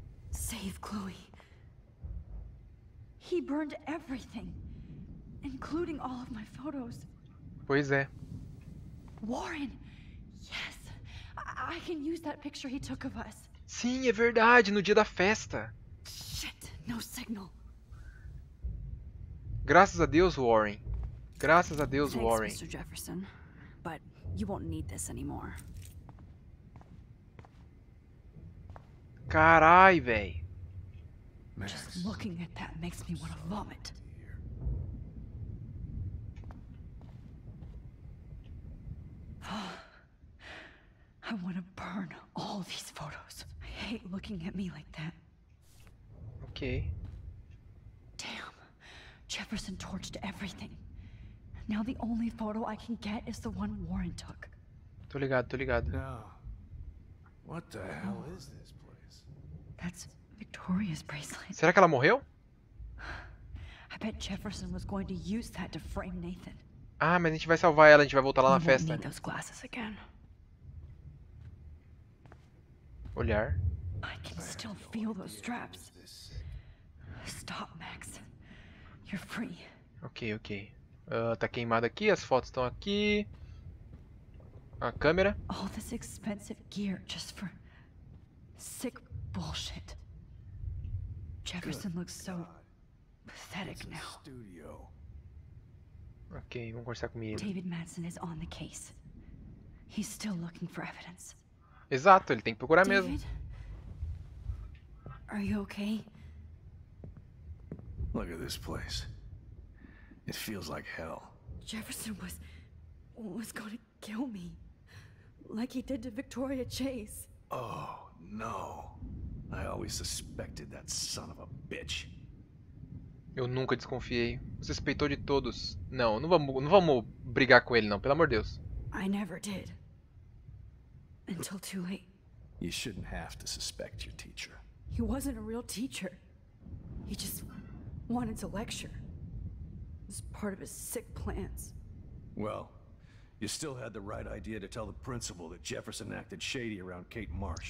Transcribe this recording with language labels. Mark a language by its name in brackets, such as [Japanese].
[English] Save Chloe. He burned everything, including all of my photos. [Portuguese] Pois é. [English] Warren, yes, I can use that picture he took of us. [Portuguese] Sim, é verdade, no dia da festa. [English] Shit, no signal. [Portuguese] Graças a Deus, Warren. Graças a Deus, [English] thanks, Warren. Mr. Jefferson, but you won't need this anymore. [Portuguese] Carai, véi. [English] Just looking at that makes me want to vomit. I want to burn all these photos. I hate looking at me like that. Okay. Damn. Jefferson torched everything. Now the only photo I can get is the one Warren took. [Portuguese] Tô ligado. [English] No. What the hell is this place? That's Victoria's bracelet. [Portuguese] Será que ela morreu? [English] I bet Jefferson was going to use that to frame Nathan. [Portuguese] Ah, mas a gente vai salvar ela, a gente vai voltar lá na festa. [English] Need those glasses again. [Portuguese] Olhar. [English] I can still feel those straps. Stop, Max. You're free. Ok. [Portuguese] Tá queimado aqui, as fotos estão aqui. A câmera. [English] All this expensive gear just for sick bullshit. Jefferson looks so pathetic now. Studio. [Portuguese] Okay, vamos conversar comigo. [English] David Madsen is on the case. He's still looking for evidence. [Portuguese] Exato, ele tem que procurar David, mesmo. [English] Are you okay? Look at this place. It feels like hell. Jefferson was going to kill me. Like he did to Victoria Chase. Oh, no. I always suspected that son of a bitch. [Portuguese] Eu nunca desconfiei. Suspeitou de todos. Não, não vamos brigar com ele não, pelo amor de Deus. [English] I never did. Until too late. You shouldn't have to suspect your teacher. He wasn't a real teacher. He just wanted to lecture. It was part of his sick plans. Well, you still had the right idea to tell the principal that Jefferson acted shady around Kate Marsh.